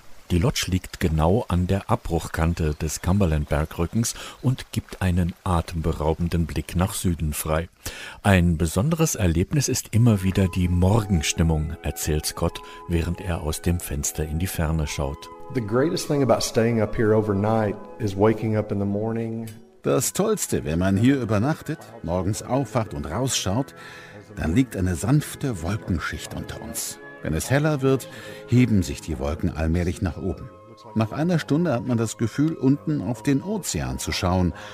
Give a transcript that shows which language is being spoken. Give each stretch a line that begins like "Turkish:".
German: Die Lodge liegt genau an der Abbruchkante des Cumberland-Bergrückens und gibt einen atemberaubenden Blick nach Süden frei. Ein besonderes Erlebnis ist immer wieder die Morgenstimmung, erzählt Scott, während er aus dem Fenster in die Ferne schaut.
English: The greatest thing about staying up here overnight is waking up in the morning.
German: Das Tollste, wenn man hier übernachtet, morgens aufwacht und rausschaut, dann liegt eine sanfte Wolkenschicht unter uns. Wenn es heller wird, heben sich die Wolken allmählich nach oben. Nach einer Stunde hat man das Gefühl, unten auf den Ozean zu schauen.